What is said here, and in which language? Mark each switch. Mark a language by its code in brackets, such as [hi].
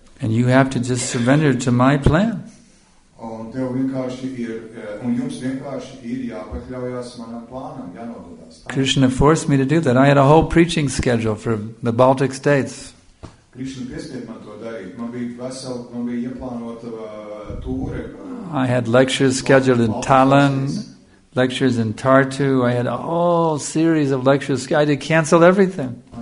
[en] And you have to just surrender to my plan. [lv] Un tev vienkārši ir, un jums vienkārši ir jāpakļaujās manam plānam, jānododās. [en] Krishna forced me to do that. I had a whole preaching schedule for the Baltic states. [lv] Krishna piespied man to darīt. Man bija ieplānota tūre. [en] I had lectures scheduled in Tallinn. Lectures in Tartu, I had a whole series of lectures. I had to cancel everything.